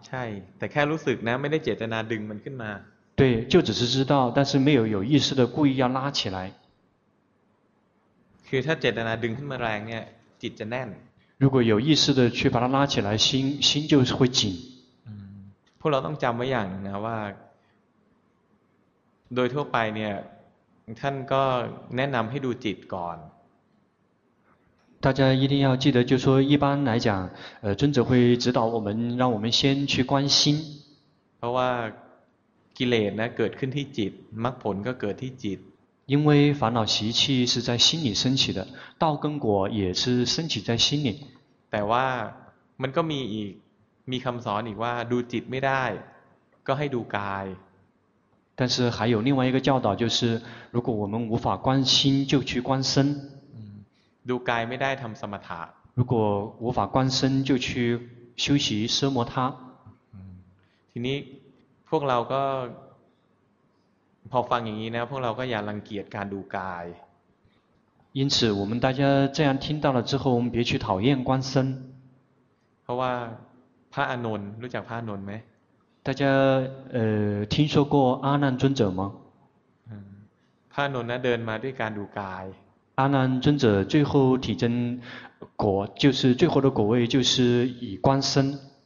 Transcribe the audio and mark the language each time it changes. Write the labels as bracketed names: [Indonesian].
[Thai] ใช่แต่แค่รู้สึกนะไม่ได้เจตนาดึงมันขึ้นมา。 [Chinese] 对，就只是知道，但是没有意识的故意要拉起来。 [Thai] คือถ้าเจตนาดึงขึ้นมาแรงเนี่ยจิตจะแน่น。 [Chinese] 如果有意识的去把它拉起来，心就会紧。 [Thai] พวกเราต้องจำไว้อย่างนึงนะว่าโดยทั่วไปเนี่ยท่านก็แนะนำให้ดูจิตก่อน [Chinese] 大家一定要记得就说一般来讲尊者会指导我们让我们先去观心 [Thai] เพราะว่ากิเลสนะเกิดขึ้นที่จิตมรรคผลก็เกิดที่จิต [Chinese] 因为烦恼习气是在心里升起的道跟果也是升起在心里 [Thai] แต่ว่ามันก็มีอีกมีคำสอนอีกว่าดูจิตไม่ได้ก็ให้ดูกาย [Chinese] 但是还有另外一个教导就是如果我们无法观心就去观身 [Thai] ดูกายไม่ได้ทำสมถะ [Chinese] 如果无法观身就去修习奢摩他 [Thai] ทีนี้พวกเราก็พอฟังอย่างนี้นะพวกเราก็อย่ารังเกียจการดูกาย [Chinese] 因此我们大家这样听到了之后我们别去讨厌观身 [Thai] เพราะว่าพระอานนท์รู้จักพระอานนท์ไหม [Chinese] 大家听说过阿难尊者吗？ [Thai] พระอานนท์นะเดินมาด้วยการดูกาย [Chinese] 阿难尊者最后体证果就是最后的果位就是以观身